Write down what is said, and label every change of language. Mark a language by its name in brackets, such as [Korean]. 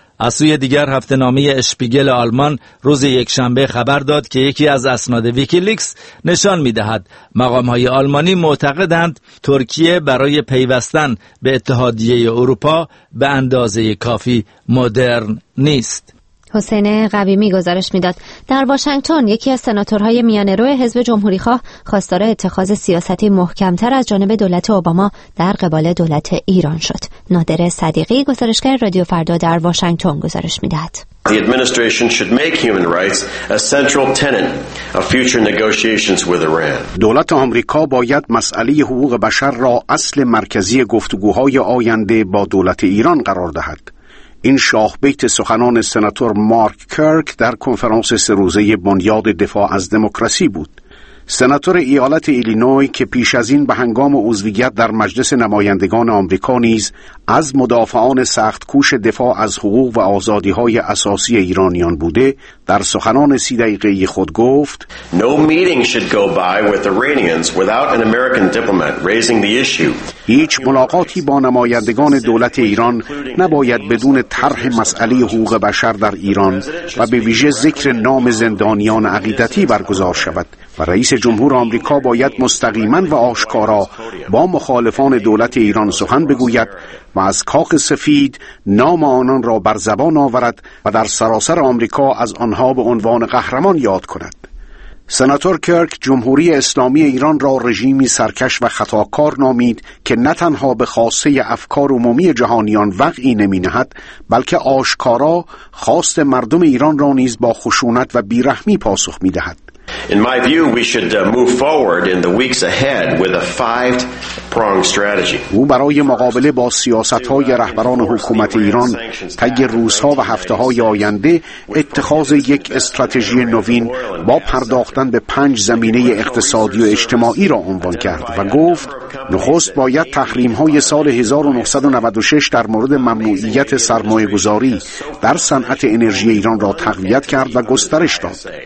[Persian] از سوی دیگر، هفته نامه اشپیگل آلمان روز یک شنبه خبر داد که یکی از اسناد ویکی‌لیکس نشان می‌دهد مقام‌های آلمانی معتقدند ترکیه برای پیوستن به اتحادیه اروپا به اندازه کافی مدرن نیست. حسین قویمی گزارش می‌داد. در واشنگتن یکی از سناتورهای میانه‌رو حزب جمهوری‌خواه خواستار اتخاذ سیاستی محکم‌تر از جانب دولت اوباما در قبال دولت ایران شد. نادر صدیقی گزارشگر رادیو فردا در واشنگتن گزارش می‌دهد. [English] The administration should make human rights a central tenet of future negotiations with Iran. [Persian] دولت آمریکا باید مسئله حقوق بشر را اصل مرکزی گفتگوهای آینده با دولت ایران قرار دهد. این شاه بیت سخنان سناتور مارک کرک در کنفرانس 3 روزه بنیاد دفاع از دموکراسی بود. سناتور ایالت ایلینوی که پیش از این به هنگام عضویت در مجلس نمایندگان آمریکا نیز از مدافعان سخت کوش دفاع از حقوق و آزادی‌های اساسی ایرانیان بوده، در سخنان 30 دقیقه‌ای خود گفت: [English] No meeting should go by with Iranians without an American diplomat raising the issue. [Persian] هیچ ملاقاتی با نمایندگان دولت ایران نباید بدون طرح مسئله حقوق بشر در ایران و به ویژه ذکر نام زندانیان عقیدتی برگزار شود. و رئیس جمهور آمریکا باید مستقیماً و آشکارا با مخالفان دولت ایران سخن بگوید و از کاخ سفید نام آنان را بر زبان آورد و در سراسر آمریکا از آنها به عنوان قهرمان یاد کند. سناتور کرک جمهوری اسلامی ایران را رژیمی سرکش و خطاکار نامید که نه تنها به خواسته افکار عمومی جهانیان وقعی نمی‌نهد، بلکه آشکارا خواست مردم ایران را نیز با خشونت و بیرحمی پاسخ می‌دهد. [English] In my view, we should move forward in the weeks ahead with a 5-pronged strategy. [Persian] او برای مقابله با سیاست‌های رهبران حکومت ایران طی روزها و هفته‌های آینده اتخاذ یک استراتژی نوین با پرداختن به 5 زمینه اقتصادی و اجتماعی را عنوان کرد و گفت: نخست باید تحریم‌های سال 1996 در مورد ممنوعیت سرمایه‌گذاری در صنعت انرژی ایران را تقویت کرد و گسترش داد.